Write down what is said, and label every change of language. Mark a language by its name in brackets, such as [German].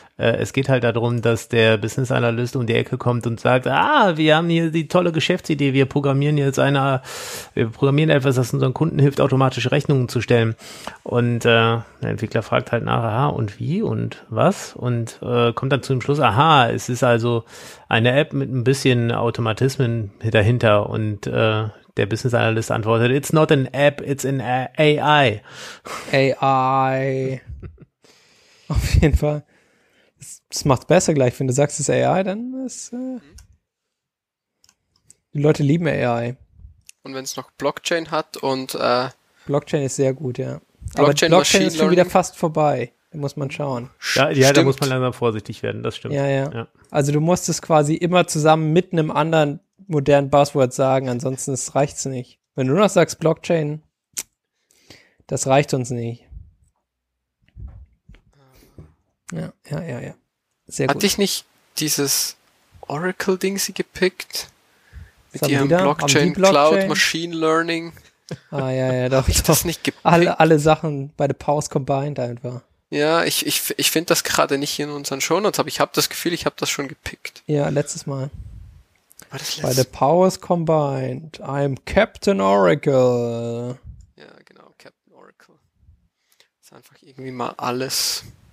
[German] Es geht halt darum, dass der Business Analyst um die Ecke kommt und sagt, wir haben hier die tolle Geschäftsidee, wir programmieren etwas, das unseren Kunden hilft, automatische Rechnungen zu stellen. Und der Entwickler fragt halt nach, und wie und was? Und kommt dann zu dem Schluss, es ist also eine App mit ein bisschen Automatismen dahinter. Und der Business Analyst antwortet, [English] it's not an app, it's an AI. [German] AI. Auf jeden Fall. Das macht es besser gleich, wenn du sagst, es ist AI, dann ist die Leute lieben AI. Und wenn es noch Blockchain hat und Blockchain ist sehr gut, ja. Blockchain ist schon wieder fast vorbei. Da muss man schauen. Ja, da muss man langsam vorsichtig werden, das stimmt. Ja. Also du musst es quasi immer zusammen mit einem anderen modernen Buzzword sagen, ansonsten reicht es nicht. Wenn du noch sagst Blockchain, das reicht uns nicht. Ja. Sehr gut. Hat dich nicht dieses Oracle-Ding sie gepickt? Mit ihrem Blockchain-Cloud, Machine Learning? Ja, doch. Hab ich das nicht gepickt? Alle Sachen bei [English] The Powers combined [German] einfach. Ja, ich finde das gerade nicht in unseren Shownotes, aber ich habe das Gefühl, ich habe das schon gepickt. Ja, letztes Mal. [English] By the powers combined, I'm Captain Oracle. [German] Ja, genau, Captain Oracle. Ist einfach irgendwie mal alles.